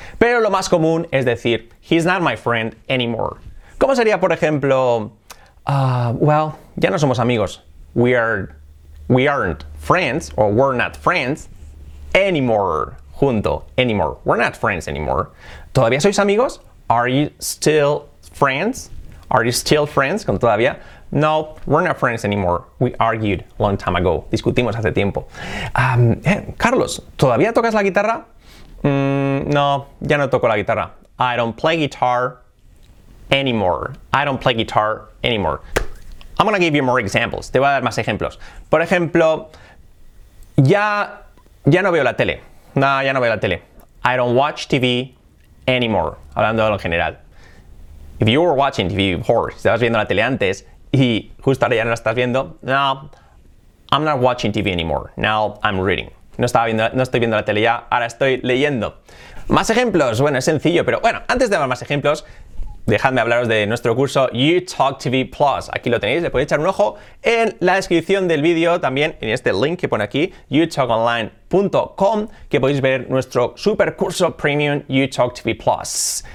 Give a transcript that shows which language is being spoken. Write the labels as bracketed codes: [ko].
[es] Pero lo más común es decir, [en] he's not my friend anymore. [es] ¿Cómo sería, por ejemplo, well, ya no somos amigos. [en] We aren't friends, or we're not friends anymore. [es] Junto, [en] anymore. We're not friends anymore. [es] ¿Todavía sois amigos? [en] Are you still friends? Are you still friends? [es] Con todavía. [en] No, we're not friends anymore. We argued a long time ago. [es] Discutimos hace tiempo. Carlos, ¿todavía tocas la guitarra? No, ya no toco la guitarra. [en] I don't play guitar anymore. I don't play guitar anymore. I'm gonna give you more examples. [es] Te voy a dar más ejemplos. Por ejemplo, ya no veo la tele. No, ya no veo la tele. [en] I don't watch TV anymore. [es] Hablando de lo general. [en] If you were watching TV before, [es] si estabas viendo la tele antes, y justo ahora ya no la estás viendo. [en] No, I'm not watching TV anymore. Now I'm reading. [es] No estoy viendo la tele ya, ahora estoy leyendo. Más ejemplos. Bueno, es sencillo, pero bueno, antes de dar más ejemplos, dejadme hablaros de nuestro curso YouTalk TV Plus. Aquí lo tenéis, le podéis echar un ojo en la descripción del vídeo, también en este link que pone aquí, youtalkonline.com, que podéis ver nuestro super curso premium YouTalk TV Plus.